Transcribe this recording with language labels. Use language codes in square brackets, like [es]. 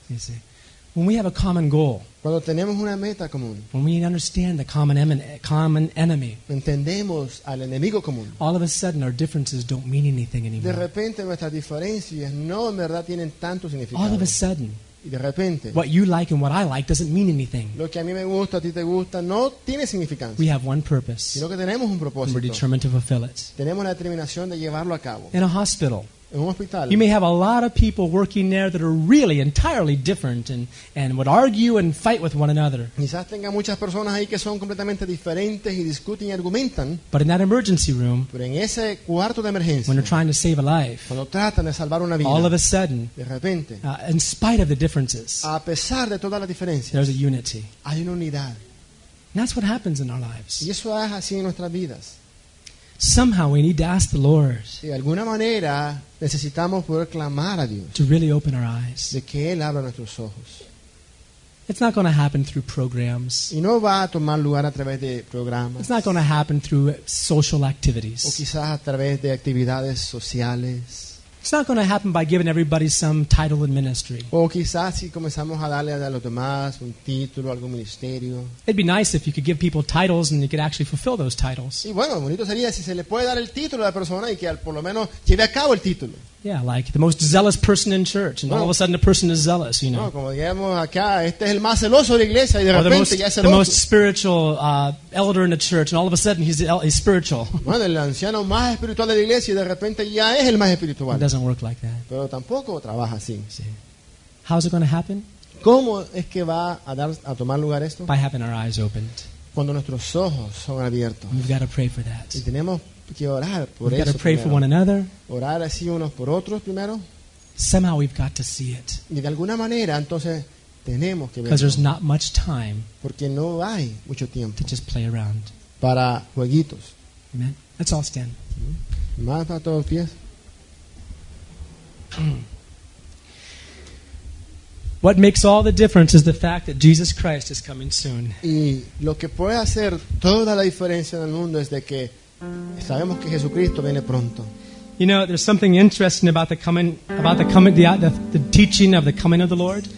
[en] You see, when we have a common goal. [es] Cuando tenemos una meta común. [en] When we understand the common enemy. [es] Entendemos al enemigo común. [en] All of a sudden our differences don't mean anything anymore. [es] De repente nuestras diferencias no en verdad tienen tanto significado. [en] All of a sudden. [es] Y de repente, [en] what you like and what I like doesn't mean anything. [es] Lo que a mí me gusta, a ti te gusta, no tiene significancia. [en] We have one purpose. [es] Sino que tenemos un propósito. [en] We're determined to fulfill it. [es] Tenemos la determinación de llevarlo a cabo. [en] In a hospital. [es] En un hospital. [en] You may have a lot of people working there that are really entirely different and would argue and fight with one another. [es] Quizás tenga muchas personas ahí que son completamente diferentes y discuten y argumentan. [en] But in that emergency room, [es] pero en ese cuarto de emergencia, [en] when they're trying to save a life, [es] cuando tratan de salvar una vida, [en] all of a sudden, [es] de repente, [en] in spite of the differences, [es] a pesar de todas las diferencias, [en] there's a unity. [es] Hay una unidad. [en] And that's what happens in our lives. [es] Y eso es así en nuestras vidas. [en] Somehow we need to ask the Lord. [es] De alguna manera necesitamos poder clamar a Dios. [en] To really open our eyes. [es] De que Él abra nuestros ojos. [en] It's not going to happen through programs. [es] Y no va a tomar lugar a través de programas. [en] It's not going to happen through social activities. [es] O quizás a través de actividades sociales. [en] It's not going to happen by giving everybody some title in ministry. [es] O quizás si comenzamos a darle a los demás un título, algún ministerio. [en] It'd be nice if you could give people titles and you could actually fulfill those titles. [es] Y bueno, bonito sería si se le puede dar el título a la persona y que por lo menos lleve a cabo el título. [en] Yeah, like the most zealous person in church, and [es] bueno, [en] all of a sudden the person is zealous, you know. [es] No, como digamos acá, este es el más celoso de la iglesia y de [en] or [es] repente [en] most, [es] ya es celoso. [en] The most spiritual elder in the church, and all of a sudden he's spiritual. [es] Bueno, el anciano más espiritual de la iglesia y de repente ya es el más espiritual. [en] It doesn't work like that. [es] Pero tampoco trabaja así. [en] Sí. How's it going to happen? [es] ¿Cómo es que va a tomar lugar esto? [en] By having our eyes opened. [es] Cuando nuestros ojos son abiertos. [en] We've got to pray for that. [es] Y tenemos que orar por [en] we've [es] eso [en] got to pray [es] primero. [en] For one another. [es] Orar así unos por otros primero. [en] Somehow we've got to see it. [es] Y de alguna manera entonces tenemos que verlo. [en] Because there's not much time. [es] Porque no hay mucho tiempo. [en] To just play around. [es] Para jueguitos. [en] Amen. Let's all stand. [es] Más para todos pies. [en] What makes all the difference is the fact that Jesus Christ is coming soon. [es] Y lo que puede hacer toda la diferencia en el mundo es de que Sabemos que Jesucristo viene pronto. [en] You know, there's something interesting about the coming, the teaching of the coming of the Lord.